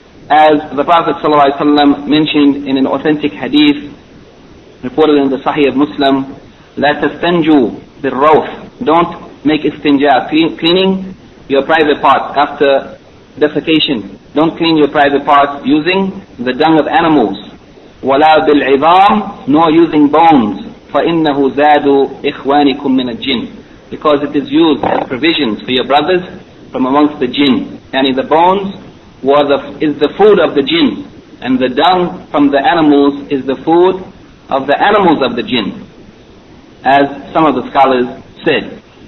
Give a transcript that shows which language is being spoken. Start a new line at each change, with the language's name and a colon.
English: as the Prophet ﷺ mentioned in an authentic hadith reported in the Sahih of Muslim,
Arabic: لا تستنجوا بالروث.
English: Don't make istinja, cleaning your private parts after defecation. Don't clean your private parts using the dung of animals.
Arabic: ولا بالعظام,
English: nor using bones.
Arabic: فإنه زادوا إخوانكم من الجن.
English: Because it is used as provisions for your brothers from amongst the jinn. And the bones is the food of the jinn. And the dung from the animals is the food of the animals of the jinn. As some of the scholars said.